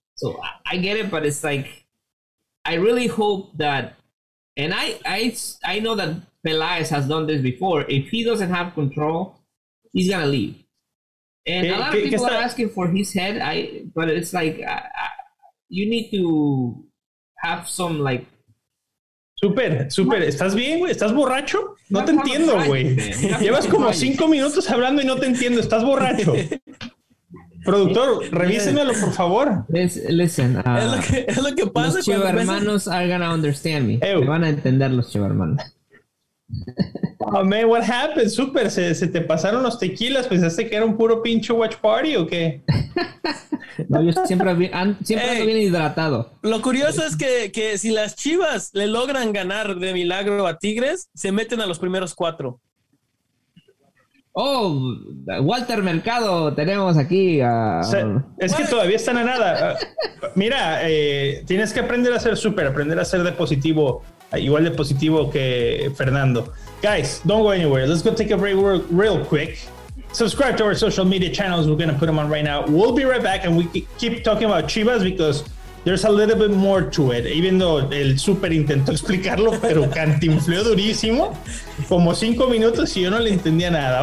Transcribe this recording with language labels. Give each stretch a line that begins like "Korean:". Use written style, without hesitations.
English: So I get it, but it's like, I really hope that, and I know that Peláez has done this before. If he doesn't have control, he's gonna leave. And a lot of people are asking for his head. But it's like you need to have some like.
Spanish: Super. ¿Estás bien, güey? ¿Estás borracho? No te entiendo, güey. Llevas como 5 minutos hablando y no te entiendo. ¿Estás borracho? Productor, revísenmelo, por favor.
English: Listen.
Spanish: Es lo que pasa. Los chivas hermanos
English: are going to understand me.
Spanish: Me van a entender los chivas hermanos.
English: Oh, man, what happened?
Spanish: Super, se te pasaron los tequilas. ¿Pensaste que era un puro pinche watch party o qué? No, yo siempre ando bien hidratado. Lo curioso es que si las chivas le logran ganar de milagro a Tigres, se meten a los primeros cuatro. Oh, Walter Mercado, tenemos aquí. Es que todavía están a nada. Mira, tienes que aprender a ser super, aprender a ser de positivo, igual de positivo que Fernando.
English: Guys, don't go anywhere. Let's go take a break real quick. Subscribe to our social media channels. We're going to put them on right now. We'll be right back and we keep talking about Chivas because there's a little bit more to it. Even though
Spanish: el super intentó explicarlo, pero cantinfló durísimo. Como 5 minutos y yo no le entendía nada.